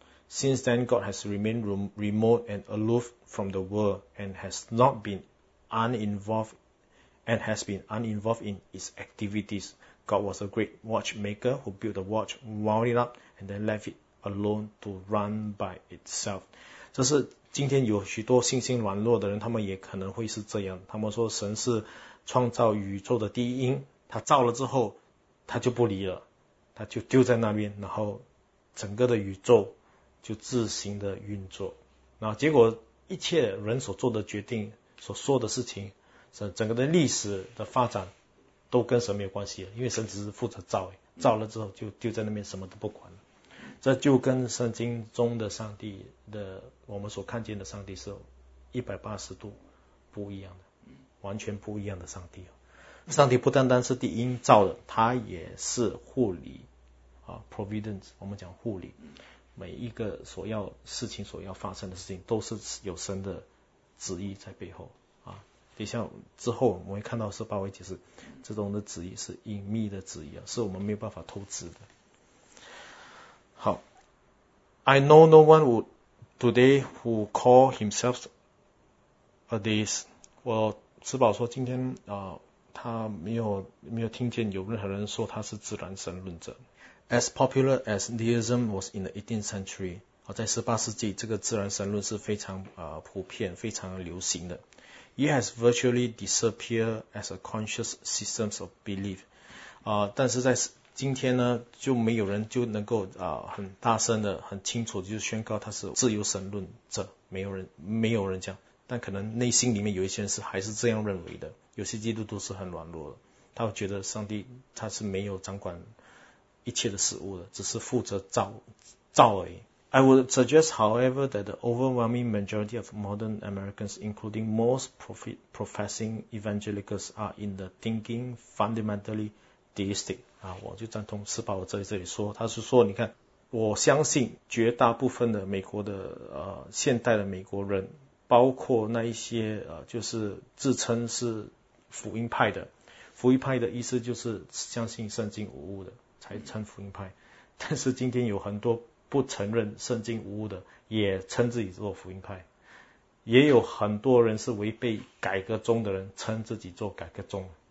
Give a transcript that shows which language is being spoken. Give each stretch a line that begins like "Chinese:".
English: Since then, God has remained remote and aloof from the world and has not been uninvolved and has been uninvolved in its activities. God was a great watchmaker who built a watch, wound it up, and then left it alone to run by itself.
Chinese: 这是。今天有许多信心软弱的人，他们也可能会是这样。他们说，神是创造宇宙的第一因，他造了之后，他就不理了，他就丢在那边，然后整个的宇宙就自行的运作。然后结果，一切人所做的决定、所说的事情，整个的历史的发展，都跟神没有关系了，因为神只是负责造，造了之后就丢在那边，什么都不管了。这就跟圣经中的上帝的我们所看见的上帝是180度不一样的，完全不一样的上帝。上帝不单单是第一造的，他也是护理providence。我们讲护理，每一个所要事情所要发生的事情，都是有神的旨意在背后啊。等一下之后我们会看到是八位解释，这种的旨意是隐秘的旨意啊，是我们没有办法透支的。好，
English: I know no one would today who call himself a deist。
Chinese: 我只保说今天他没有听见有任何人说他是自然神论者。
English: As popular as deism was in the 18th century，
Chinese: 在18世纪，这个自然神论是非常普遍、非常流行的。
English: It has virtually disappeared as a conscious systems of belief。
Chinese: 但是在今天呢，就没有人就能够很大声的、很清楚的就宣告他是自由神论者，没有人讲，但可能内心里面有一些人是还是这样认为的。有些基督徒是很软弱的，他会觉得上帝他是没有掌管一切的事物的，只是负责造而已。
English: I would suggest, however, that the overwhelming majority of modern Americans, including most professing evangelicals, are in the thinking fundamentally deistic。
Chinese: 我就赞同施宝这里说，他是说，你看，我相信绝大部分的美国的现代的美国人，包括那一些就是自称是福音派的，福音派的意思就是相信圣经无误的才称福音派，但是今天有很多不承认圣经无误的，也称自己做福音派，也有很多人是违背改革宗的人，称自己做改革宗。